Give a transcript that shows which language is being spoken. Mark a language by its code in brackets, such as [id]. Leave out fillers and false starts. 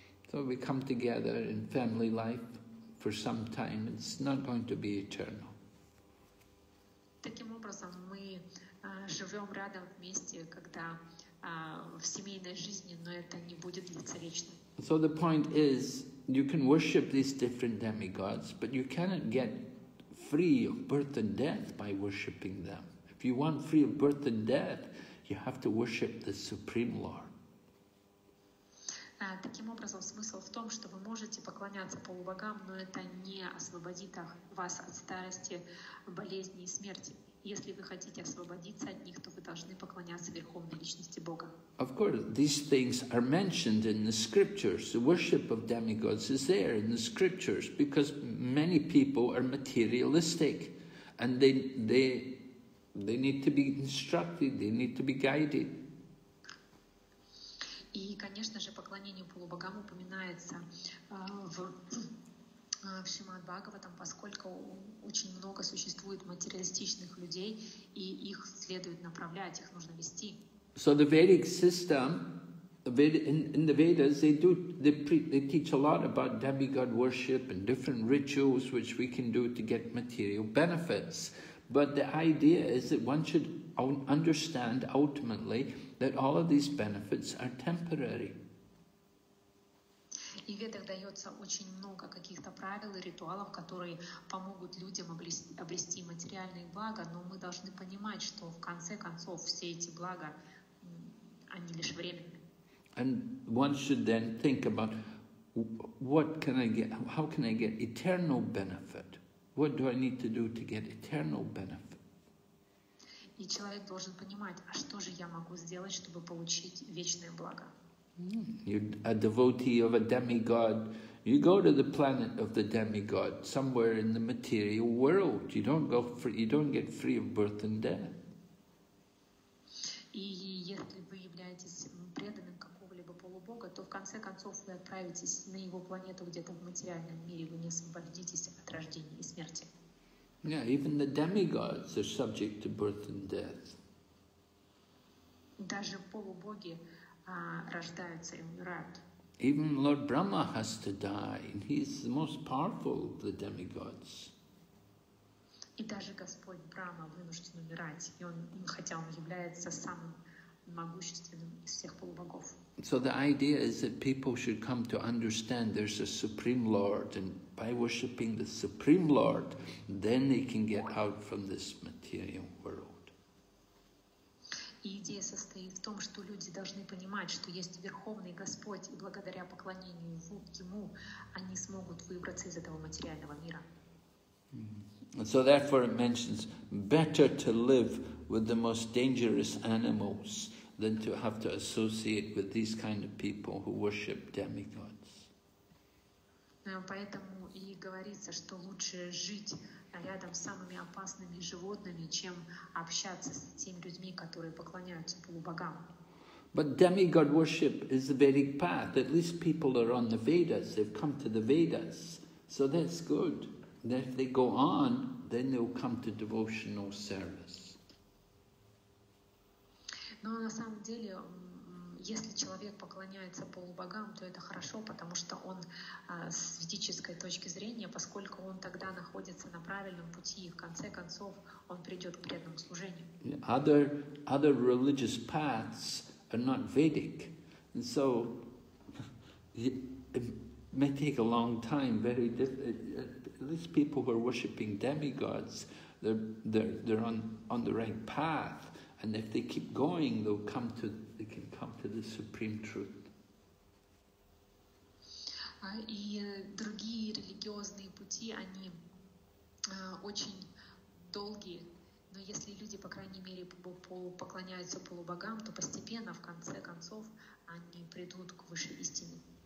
[en] So we come together in family life for some time. It's not going to be eternal. [ru] Таким образом, мы живем рядом вместе, когда в семейной жизни, но это не будет длиться вечно. [en] So the point is, you can worship these different demigods, but you cannot get free of birth and death by worshiping them. If you want free of birth and death, you have to worship the Supreme Lord. [ru] Таким образом, смысл в том, что вы можете поклоняться полубогам, но это не освободит вас от старости, болезни и смерти. Если вы хотите освободиться от них, то вы должны поклоняться Верховной Личности Бога. [en] Of course, these things are mentioned in the scriptures. The worship of demigods is there in the scriptures because many people are materialistic and they need to be instructed, they need to be guided. [ru] И, конечно же, поклонение полубогам упоминается в Шримад-Бхагаватам, поскольку очень много существует материалистичных людей, и их следует направлять, их нужно вести. [en] So the Vedic system, in the Vedas, they teach a lot about demigod worship and different rituals which we can do to get material benefits. But the idea is that one should understand ultimately that all of these benefits are temporary. [ru] И в Ведах дается очень много каких-то правил и ритуалов, которые помогут людям обрести материальные блага, но мы должны понимать, что в конце концов все эти блага, они лишь временные. [en] And one should then think about what can I get, how can I get eternal benefit? What do I need to do to get eternal benefit? [ru] И человек должен понимать, а что же я могу сделать, чтобы получить вечное благо? [en] You're a devotee of a demigod. You go to the planet of the demigod, somewhere in the material world. You don't get free of birth and death. [ru] И если вы являетесь преданным какого-либо полубога, то в конце концов вы отправитесь на его планету где-то в материальном мире. Вы не освободитесь от рождения и смерти. [en] Yeah, even the demigods are subject to birth and death. [ru] Даже полубоги рождаются и умирают. [en] Even Lord Brahma has to die, and he's the most powerful of the demigods. [ru] И даже Господь Брама вынужден умирать, и он, хотя он является самым могущественным из всех полубогов. [en] So the idea is that people should come to understand there's a Supreme Lord, and by worshipping the Supreme Lord, then they can get out from this material world. [ru] И идея состоит в том, что люди должны понимать, что есть Верховный Господь, и благодаря поклонению Ему они смогут выбраться из этого материального мира. [en] So therefore it mentions, better to live with the most dangerous animals than to have to associate with these kind of people who worship demigods. [ru] Поэтому и говорится, что лучше жить рядом с самыми опасными животными, чем общаться с теми людьми, которые поклоняются полубогам. [en] But demigod worship is the Vedic path. At least people are on the Vedas. They've come to the Vedas. So that's good. And if they go on, then they'll come to devotional service. [ru] Но на самом деле, если человек поклоняется полубогам, то это хорошо, потому что он с ведической точки зрения, поскольку он тогда находится на правильном пути, и в конце концов он придет к преданному служению. [en] Other religious paths are not Vedic, and so it may take a long time. Very at least people who are worshiping demigods, they're on the right path. And if they keep going, they can come to the Supreme Truth. [ru] И другие религиозные пути, они очень долгие. Но если люди, по крайней мере, поклоняются полубогам, то постепенно, в конце концов, они придут к высшей истине.